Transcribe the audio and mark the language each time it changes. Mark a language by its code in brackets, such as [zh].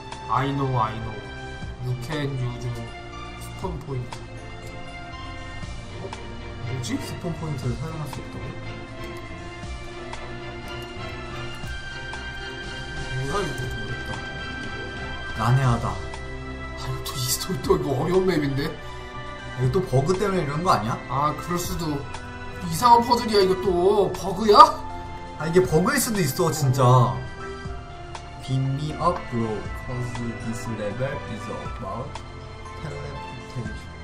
[en] I know I know You can use spawn point. [ko] 어? 뭐지? 스폰 포인트를 사용할 수 있다고? 뭐야 이거 좀 어렵다. 난해하다. 아니 또 이 스토리 또 이거 어려운 맵인데? 이거 또 버그 때문에 이런 거 아니야? 아 그럴 수도. 이상한 퍼즐이야 이거 또. 버그야? 아 이게 버그일 수도 있어 진짜. [en] Beam me up bro cause this level is about teleportation.